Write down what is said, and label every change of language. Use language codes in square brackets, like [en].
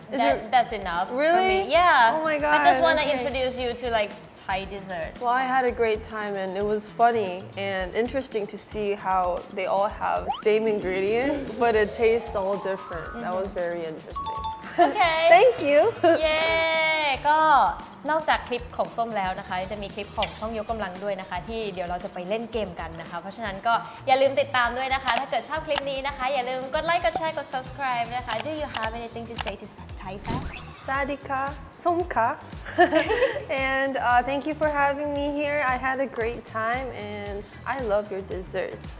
[en] that's enough. Really? For me. Yeah. Oh my god. I just want to introduce you to like. Thai dessert. Well, I had a great time and it was funny and interesting to see how they all have same ingredient, but it tastes all different. That was very interesting. Okay. Thank you. Yay. [th] ก็นอกจากคลิปของส้มแล้วนะคะจะมีคลิปของท่องยกกำลังด้วยนะคะที่เดี๋ยวเราจะไปเล่นเกมกันนะคะเพราะฉะนั้นก็อย่าลืมติดตามด้วยนะคะถ้าเกิดชอบคลิปนี้นะคะอย่าลืมกดไลค์กดแชร์กด subscribe นะคะ [en] Do you have anything to say to Thai fans? [th] สวัสดีค่ะส้มค่ะ [en] and thank you for having me here. I had a great time and I love your desserts.